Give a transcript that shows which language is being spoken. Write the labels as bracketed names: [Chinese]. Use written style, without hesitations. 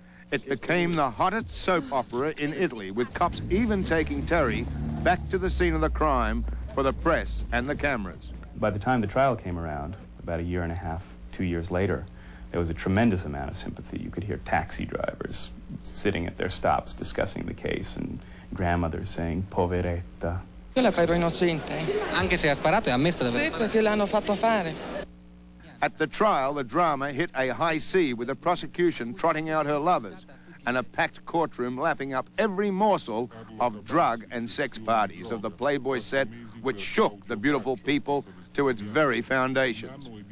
[English] It became the hottest soap opera in Italy, with cops even taking Terry back to the scene of the crime for the press and the cameras. By the time the trial came around, about a year and a half, 2 years later, there was a tremendous amount of sympathy. You could hear taxi drivers sitting at their stops discussing the case, and grandmothers saying, poveretta. [Italian] Io la credo innocente, anche se ha sparato e ha messo la vera. Sì, perché l'hanno fatto fare. [English] At the trial, the drama hit a high C, with the prosecution trotting out her lovers and a packed courtroom lapping up every morsel of drug and sex parties of the Playboy set, which shook the beautiful people to its very foundations.